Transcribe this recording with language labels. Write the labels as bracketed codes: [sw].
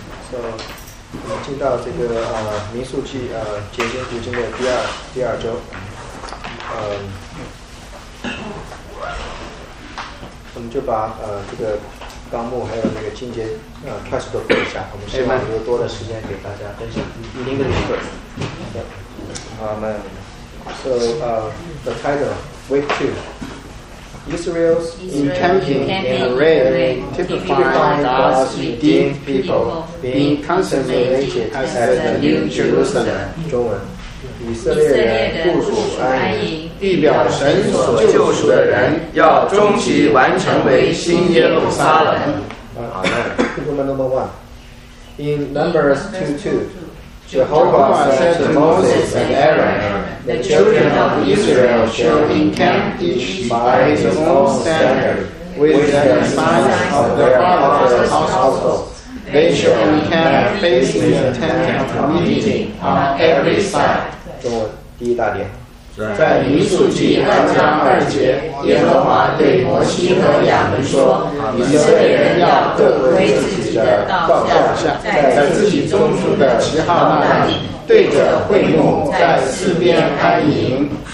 [zh] 我们进到这个民数记结晶读经的第二周。我们就把这个纲目还有那个经节开始都读一下，我们希望留多的时间给大家分享您的理解。好，我们 [en] so the title week two Israel's encamping in array typifying God's redeemed people being consummated as the new Jerusalem. [zh] 中文，以色列人部署安营，地表神所救赎的人要终极完成为新耶路撒冷。 [en] Woman number one. In Numbers 2:2, Jehovah said to Moses and Aaron, the children of Israel shall encamp each by his own standard, with the signs of their father's household. They shall encamp facing the tent of meeting on every side. [zh] 中文第一大点。在民数记二章二节，耶和华对摩西和亚伦说：“以色列人要各归自己的道下，在自己宗族的旗号那里，对着会幕，在四边安营。”